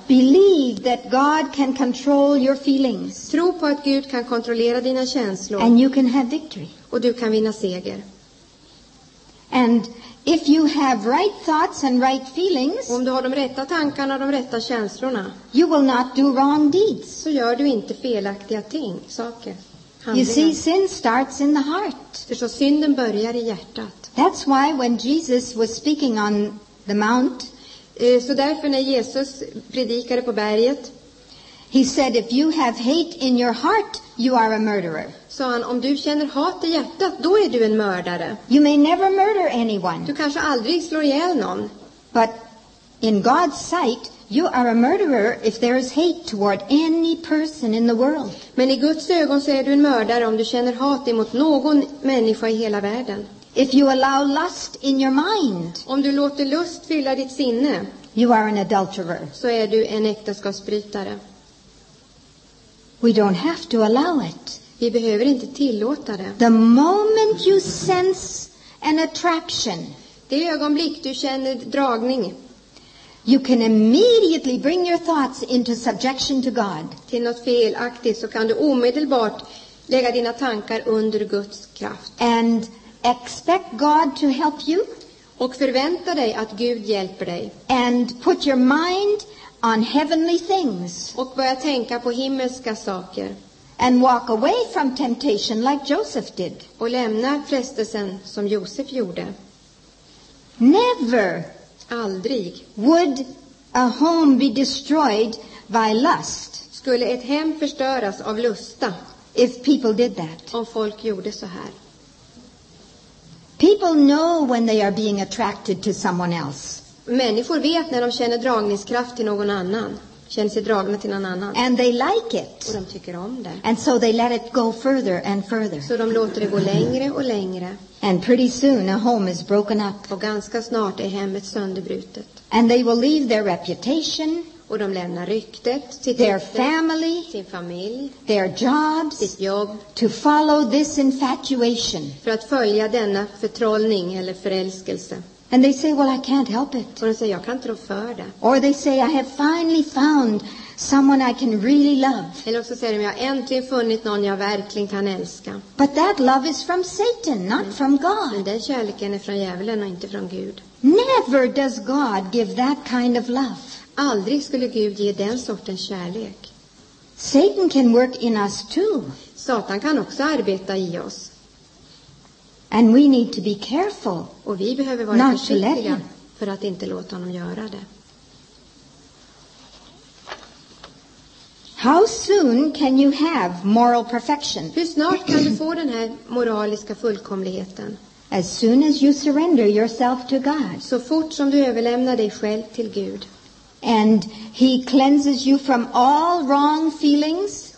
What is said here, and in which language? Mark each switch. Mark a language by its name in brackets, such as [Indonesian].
[English] Believe that God can control your feelings. [Swedish] Tro på att Gud kan kontrollera dina känslor. [English] And you can have victory. [Swedish] Och du kan vinna seger. [English] And if you have right thoughts and right feelings, [Swedish] om du har de rätta tankarna och de rätta känslorna, [English] you will not do wrong deeds. [Swedish] Så gör du inte felaktiga ting, saker. [English] You see, sin starts in the heart. [Swedish] För så synden börjar i hjärtat. [English] That's why when Jesus was speaking on the mount, [Swedish] så därför när Jesus predikade på berget, [English] he said, if you have hate in your heart, you are a murderer. [Swedish] Sa han, om du känner hat i hjärtat, då är du en mördare. [English] You may never murder anyone. [Swedish] Du kanske aldrig slår ihjäl någon. [English] But in God's sight, you are a murderer if there is hate toward any person in the world. [Swedish] Men i Guds ögon så är du en mördare om du känner hat emot någon människa i hela världen. [English] If you allow lust in your mind, [Swedish] om du låter lust fylla ditt sinne, [English] you are an adulterer. [Swedish] Så är du en äktenskapsbrytare. [English] We don't have to allow it. [Swedish] Vi behöver inte tillåta det. [English] The moment you sense an attraction, [Swedish] det ögonblick du känner dragning, [English] you can immediately bring your thoughts into subjection to God. [Swedish] Till något felaktigt så kan du omedelbart lägga dina tankar under Guds kraft. [English] And expect God to help you. [Swedish] Och förvänta dig att Gud hjälper dig. [English] And put your mind on heavenly things. [Swedish] Och börja tänka på himmelska saker. [English] And walk away from temptation like Joseph did. [Swedish] Och lämna frestelsen som Josef gjorde. [English] Never. [Swedish] Aldrig. [English] Would a home be destroyed by lust? [Swedish] Skulle ett hem förstöras av lusta? [English] If people did that. [Swedish] Om folk gjorde så här. [English] People know when they are being attracted to someone else. [Swedish] Människor vet när de känner dragningskraft till någon annan. känner sig dragna till någon annan. [English] And they like it. [Swedish] Och de tycker om det. [English] And so they let it go further and further. [Swedish] Så de låter det gå längre och längre. [English] And pretty soon a home is broken up. [Swedish] Och ganska snart är hemmet sönderbrutet. [English] And they will leave their reputation. [Swedish] Och de lämnar ryktet, sitt [English] their rykte, family, [Swedish] sin familj, [English] their jobs, [Swedish] sitt jobb, [English] to follow this infatuation. [Swedish] För att följa denna förtrollning eller förälskelse. [English] And they say, well, I can't help it. [Swedish] Och de säger, jag kan inte rå för det. [English] Or they say, I have finally found someone I can really love. [Swedish] Eller också säger de, jag har äntligen funnit någon jag verkligen kan älska. [English] But that love is from Satan, not from God. [Swedish] Men den kärleken är från djävulen och inte från Gud. [English] Never does God give that kind of love. [Swedish] Aldrig skulle Gud ge den sortens kärlek. [English] Satan can work in us too. [Swedish] Satan kan också arbeta i oss. [English] And we need to be careful. [Swedish] Och vi behöver vara försiktiga för att inte låta honom göra det. [English] How soon can you have moral perfection? [Swedish] Hur snart kan du få den här moraliska fullkomligheten? [English] As soon as you surrender yourself to God. [Swedish] Så fort som du överlämnar dig själv till Gud. [English] And he cleanses you from all wrong feelings.